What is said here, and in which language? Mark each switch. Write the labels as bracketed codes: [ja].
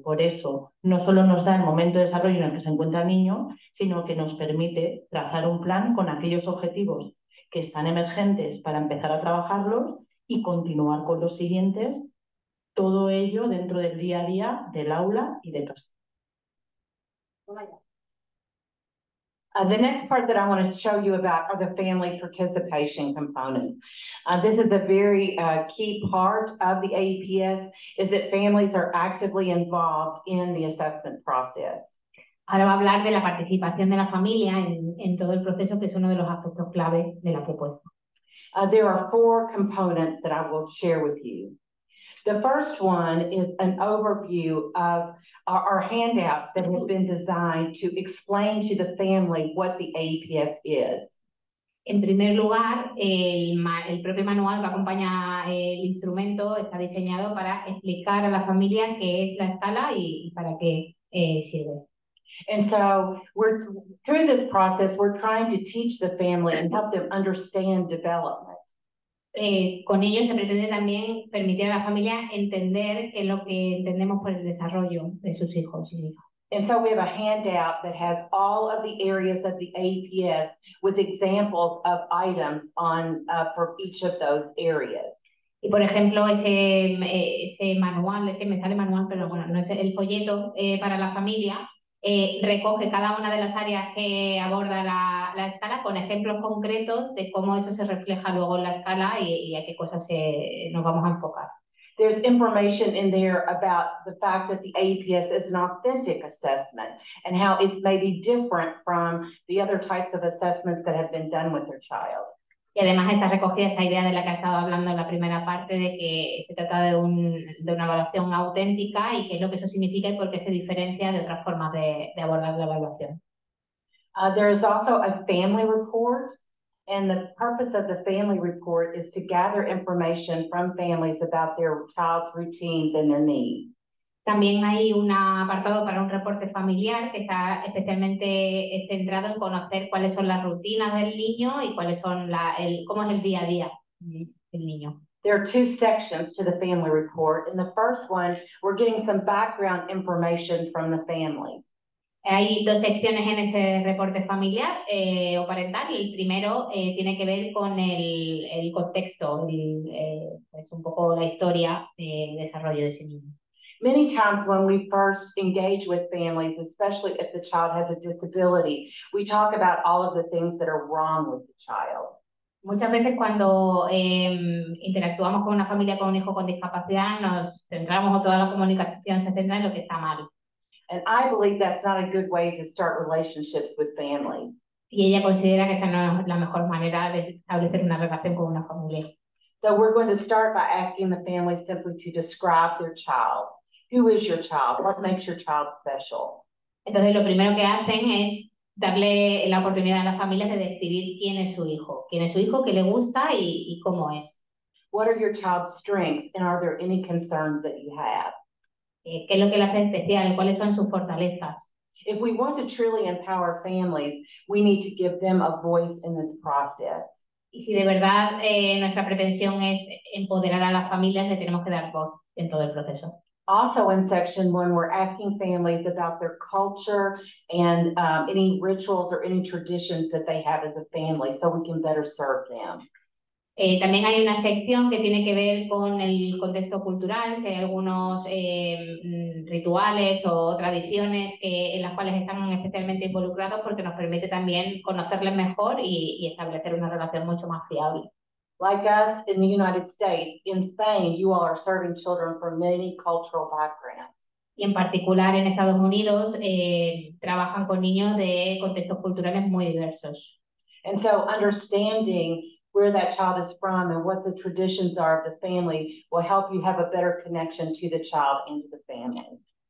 [es] Por eso, no solo nos da el momento de desarrollo en el que se encuentra el niño, sino que nos permite trazar un plan con aquellos objetivos que están emergentes para empezar a trabajarlos y continuar con los siguientes, todo ello dentro del día a día, del aula y de casa. [en] The next part that I want to show you about are the family participation components. This is a very key part of the AEPS, is that families are actively involved in the assessment process. [es] Ahora va a hablar de la participación de la familia en todo el proceso, que es uno de los aspectos clave de la propuesta. [en] There are four components that I will share with you. The first one is an overview of our handouts that have been designed to explain to the family what the AEPS is. [es] En primer lugar, el propio manual que acompaña el instrumento está diseñado para explicar a la familia qué es la escala y para qué sirve. [en] And so we're through this process, we're trying to teach the family and help them understand development. [es] Con ello se pretende también permitir a la familia entender en lo que entendemos por el desarrollo de sus hijos y hijas. [en] And so we have a handout that has all of the areas of the AEPS with examples of items on for each of those areas. [es] Y por ejemplo, ese manual, es que me sale manual, pero bueno, no es el folleto para la familia. Recoge cada una de las áreas que aborda la escala con ejemplos concretos de cómo eso se refleja luego en la escala y a qué cosas nos vamos a enfocar. [en] There's information in there about the fact that the AEPS is an authentic assessment and how it's maybe different from the other types of assessments that have been done with their child. [es] Y además está recogida esta idea de la que he estado hablando en la primera parte, de que se trata de una evaluación auténtica y qué es lo que eso significa y por qué se diferencia de otras formas de abordar la evaluación. [en] There is also a family report, and the purpose of the family report is to gather information from families about their child's routines and their needs. [es] También hay un apartado para un reporte familiar que está especialmente centrado en conocer cuáles son las rutinas del niño y cuáles son cómo es el día a día del niño. [en] There are two sections to the family report. In the first one, we're getting some background information from the family. [es] Hay dos secciones en ese reporte familiar o parental. El primero tiene que ver con el contexto, pues un poco la historia de desarrollo de ese niño. [en] Many times when we first engage with families, especially if the child has a disability, we talk about all of the things that are wrong with the child. [es] Muchas veces cuando interactuamos con una familia con un hijo con discapacidad, nos centramos o toda la comunicación se centra en lo que está mal. [en] And I believe that's not a good way to start relationships with family. [es] Y ella considera que esa no es la mejor manera de establecer una relación con una familia. [en] So we're going to start by asking the family simply to describe their child. Who is your child? What makes your child special? [es] Entonces lo primero que hacen es darle la oportunidad a las familias de describir quién es su hijo. Quién es su hijo, qué le gusta y cómo es. [en] What are your child's strengths and are there any concerns that you have? [es] ¿Qué es lo que le hace especial? ¿Cuáles son sus fortalezas? [en] If we want to truly empower families, we need to give them a voice in this process. [es] Y si de verdad nuestra pretensión es empoderar a las familias, le tenemos que dar voz en todo el proceso. [en] Also in section one, we're asking families about their culture and any rituals or any traditions that they have as a family so we can better serve them. [es] También hay una sección que tiene que ver con el contexto cultural, si hay algunos rituales o tradiciones en las cuales están especialmente involucrados porque nos permite también conocerles mejor y establecer una relación mucho más fiable. [en] Like us in the United States, in Spain, you all are serving children from many cultural backgrounds. [es] Y en particular en Estados Unidos, trabajan con niños de contextos culturales muy diversos. [en] And so understanding where that child is from and what the traditions are of the family will help you have a better connection to the child and to the family.